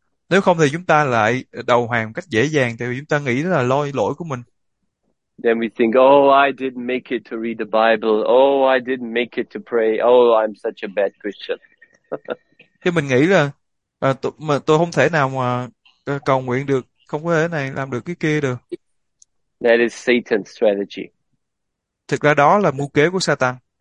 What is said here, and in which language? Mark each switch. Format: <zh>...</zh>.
<vi>Nếu không thì chúng ta lại đầu hàng cách dễ dàng, tại vì chúng ta nghĩ là lỗi của mình.</vi> <en>Then we think, oh, I didn't make it to read the Bible. Oh, I didn't make it to pray. Oh, I'm such a bad</en> <vi>Thì mình nghĩ là tôi không thể nào mà cầu nguyện được, không có thể này làm được cái kia được.</vi> <en>Satan's strategy.</en> <vi>Thực ra đó là mưu kế của Satan.</vi>